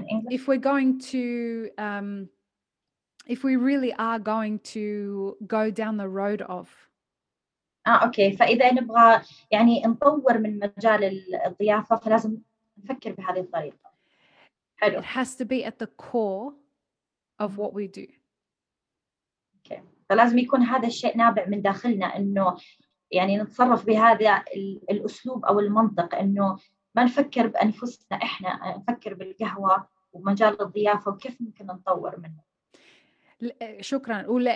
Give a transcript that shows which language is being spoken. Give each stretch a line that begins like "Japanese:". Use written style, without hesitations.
English: If we're going to if we really are going to go down the road of
Arabic: okay, فإذا نبغى يعني نطور من مجال الضيافة فلازم نفكر بهذه الطريقة. حلو.
English: It has to be at the core of what we do. Okay.
Arabic: فلازم يكون هذا الشيء نابع من داخلنا، إنه يعني نتصرف بهذا الأسلوب أو المنطق، إنه ما نفكر بأنفسنا، إحنا نفكر بالقهوة ومجال الضيافة وكيف ممكن نطور منه. شكراً.